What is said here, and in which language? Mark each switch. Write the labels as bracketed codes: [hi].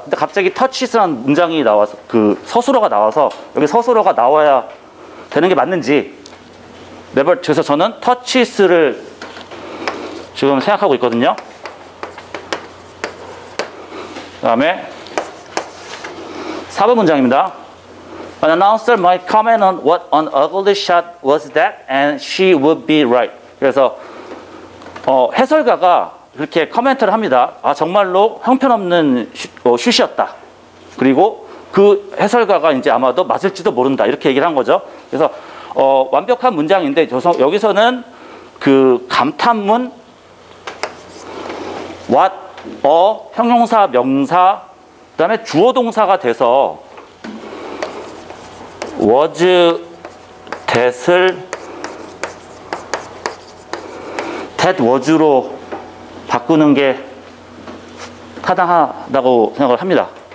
[ko] 근데 갑자기 터치스라는 문장이 나와서, 그 서술어가 나와서 여기 서술어가 나와야 되는 게 맞는지. 그래서 저는 터치스를 지금 생각하고 있거든요. 그 다음에 4번 문장입니다. [en] An announcer might comment on what an ugly shot was that and she would be right. [ko] 그래서 해설가가 그렇게 커멘트를 합니다. 아, 정말로 형편없는 슛이었다. 그리고 그 해설가가 이제 아마도 맞을지도 모른다. 이렇게 얘기를 한 거죠. 그래서 완벽한 문장인데 여기서는 그 감탄문 what, 형용사, 명사, 그 다음에 주어동사가 돼서 was, that을 that was로 바꾸는 게 타당하다고 생각을 합니다.